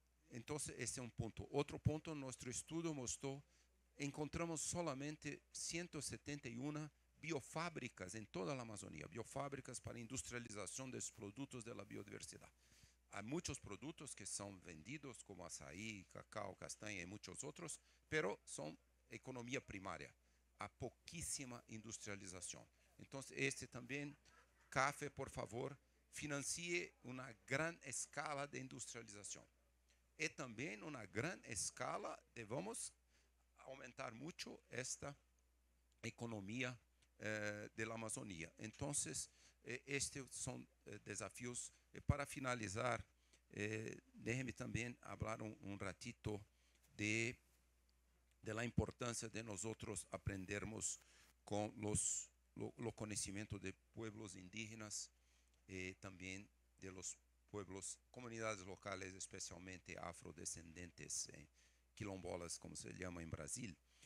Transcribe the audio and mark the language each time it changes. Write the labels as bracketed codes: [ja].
[es] Entonces, ese es un punto. Otro punto, nuestro estudio mostró, encontramos solamente 171 biofábricas en toda la Amazonía, biofábricas para industrialización de los productos de la biodiversidad. Hay muchos productos que son vendidos, como azaí, cacao, castaña y muchos otros, pero son economía primaria. [pt] A pouquíssima industrialização. Então, este também, CAFE, por favor, financie uma grande escala de industrialização. E também uma grande escala de, vamos aumentar muito esta economia de la Amazonia. Então, estes são desafios. [es] E para finalizar, déjeme também falar um ratito de la importancia de nosotros aprendermos con los conocimientos de pueblos indígenas, también de los pueblos, comunidades locales, especialmente afrodescendientes, quilombolas, como se llama en Brasil.